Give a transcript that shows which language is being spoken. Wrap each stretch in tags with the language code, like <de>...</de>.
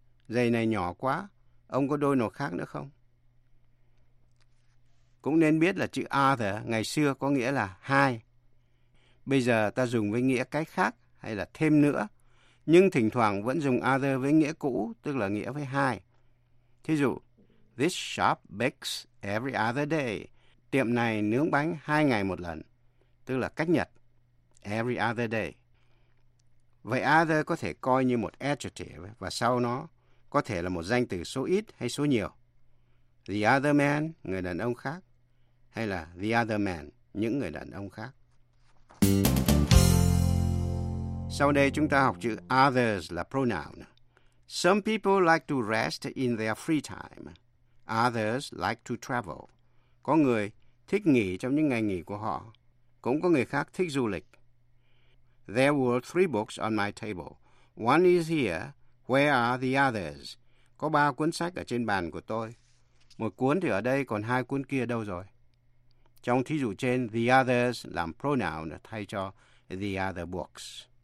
<vi>Giày này nhỏ quá. Ông có đôi nào khác nữa không? cũng nên biết là chữ other ngày xưa có nghĩa là hai. Bây giờ ta dùng với nghĩa cái khác hay là thêm nữa, nhưng thỉnh thoảng vẫn dùng other với nghĩa cũ, tức là nghĩa với hai. Thí dụ,</vi> <en>this shop bakes every other day.</en> <vi>Tiệm này nướng bánh hai ngày một lần, tức là cách nhật,</vi> <en>every other day.</en> <vi>Vậy other có thể coi như một adjective và sau nó có thể là một danh từ số ít hay số nhiều.</vi> <en>The other man,</en> <vi>người đàn ông khác, hay là</vi> <en>the other man,</en> <vi>những người đàn ông khác. Sau đây chúng ta học chữ others là pronoun.</vi> <en>Some people like to rest in their free time. Others like to travel.</en> <vi>Có người thích nghỉ trong những ngày nghỉ của họ. Cũng có người khác thích du lịch.</vi> <en>There were three books on my table. One is here. Where are the others?</en> <vi>Có ba cuốn sách ở trên bàn của tôi. Một cuốn thì ở đây, còn hai cuốn kia đâu rồi? Trong thí dụ trên, the others làm pronoun thay cho</vi> <en>the other books.</en>